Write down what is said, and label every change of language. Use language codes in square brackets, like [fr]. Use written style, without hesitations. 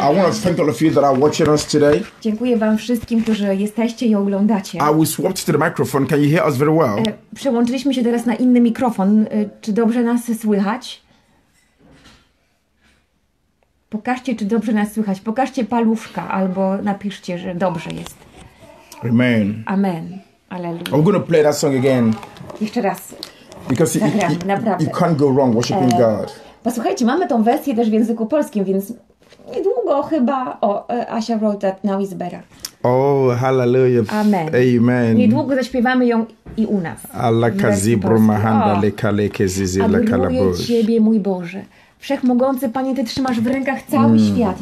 [en] I want to thank all of you that are watching us today. [pl] Dziękuję wam wszystkim, którzy jesteście i oglądacie. [en] I will swap to the microphone. Can you hear us very well? [pl] Przełączyliśmy się teraz na inny mikrofon. Czy dobrze nas słychać? Pokażcie, czy dobrze nas słychać. Pokażcie paluszka albo napiszcie, że dobrze jest. Amen. Amen. Alleluja. [en] I'm going to play that song again. [pl] Jeszcze raz. [en] Because you can't go wrong worshiping God. [pl] Posłuchajcie, mamy tą wersję też w języku polskim, więc niedługo chyba... [en] O, Asia wrote that, now is better. Oh, hallelujah. Amen. Amen. [pl] Niedługo zaśpiewamy ją i u nas. Alaka zibru mahanda leka leke zizi leka labosz. Adoruję Ciebie, mój Boże. Wszechmogący Panie, Ty trzymasz w rękach cały świat.